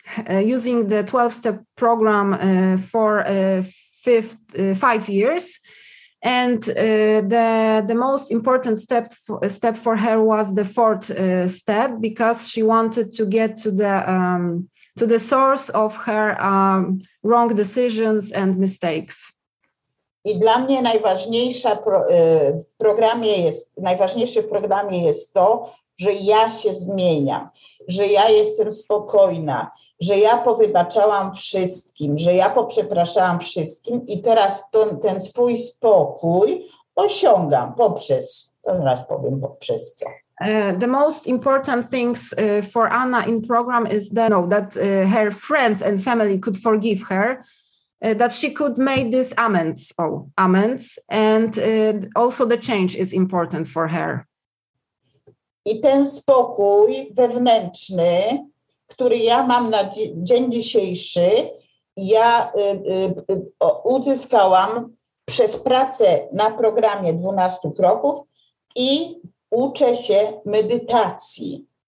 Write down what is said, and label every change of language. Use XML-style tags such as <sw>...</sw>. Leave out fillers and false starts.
<en>using the 12-step program for 5 years. And the most important step for her was the 4th step because she wanted to get to the source of her wrong decisions and mistakes.</en> <pl>I dla mnie najważniejsza w programie jest, najważniejsze w programie jest to, że ja się zmieniam, że ja jestem spokojna, że ja powybaczałam wszystkim, że ja poprzepraszałam wszystkim i teraz ten swój spokój osiągam poprzez, to zaraz powiem poprzez co.</pl> <en>The most important things for Anna in program is that, that her friends and family could forgive her, that she could make this amends, and also the change is important for her.</en> <pl>I ten spokój wewnętrzny, który ja mam na dzień dzisiejszy, ja uzyskałam przez pracę na programie 12 kroków i uczę się medytacji.</pl>